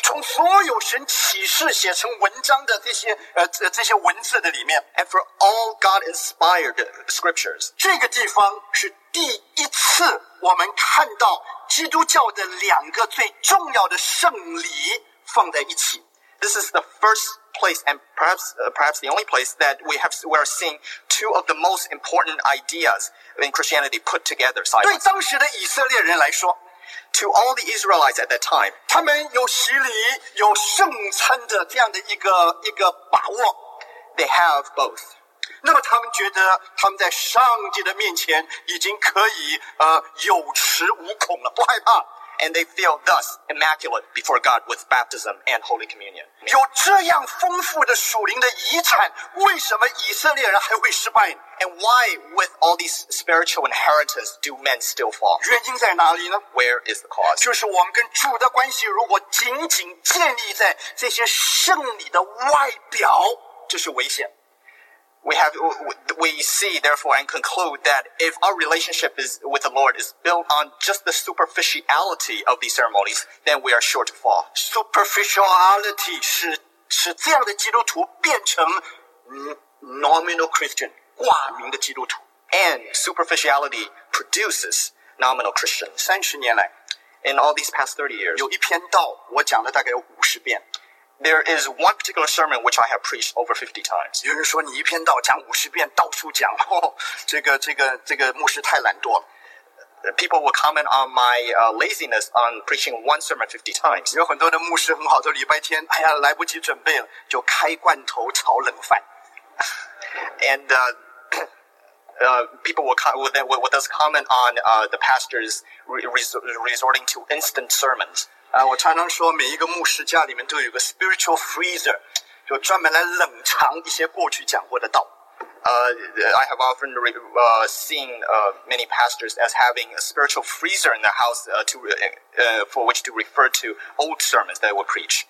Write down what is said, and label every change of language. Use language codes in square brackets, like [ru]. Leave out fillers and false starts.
[zh] 从所有神启示写成文章的这些这些文字的里面 [en] ，and for all God-inspired scriptures, [zh] 这个地方是第一次我们看到基督教的两个最重要的圣礼放在一起。 [en] This is the first place, and perhaps perhaps the only place that we are seeing two of the most important ideas in Christianity put together. [zh] 对当时的以色列人来说。 [en] To all the Israelites at that time, [zh] 他们有洗礼，有圣餐的这样的一个把握。 [en] They have both. [zh] 那么他们觉得他们在上帝的面前已经可以有恃无恐了，不害怕。 [en] And they feel thus immaculate before God with baptism and Holy Communion. [zh] 有这样丰富的属灵的遗产，为什么以色列人还会失败？ [en] And why, with all these spiritual inheritance, do men still fall? [zh] 原因在哪里呢？ [en] Where is the cause? [zh] 就是我们跟主的关系，如果仅仅建立在这些圣礼的外表，这是危险。 [en] We see, therefore, and conclude that if our relationship is with the Lord is built on just the superficiality of these ceremonies, then we are sure to fall. [zh] Superficiality 是这样的基督徒变成 nominal Christian, 挂名的基督徒 [en] And superficiality produces nominal Christian. [zh] 三十年来 [en] In all these past 30 years, [zh] 有一篇道我讲了大概有五十遍。 [en] There is one particular sermon which I have preached over 50 times. [zh] 有人说你一篇道讲五十遍到处讲，这个牧师太懒惰了。 [en] People will comment on my laziness on preaching one sermon 50 times. [zh] 有很多的牧师很好的礼拜天，哎呀来不及准备了，就开罐头炒冷饭。 [en] And people will comment on the pastors resorting to instant sermons. [zh] 我常常说每一个牧师家里面都有个 spiritual freezer, 就专门来冷藏一些过去讲过的道。 [en] I have often seen many pastors as having a spiritual freezer in their house for which to refer to old sermons that they will preach.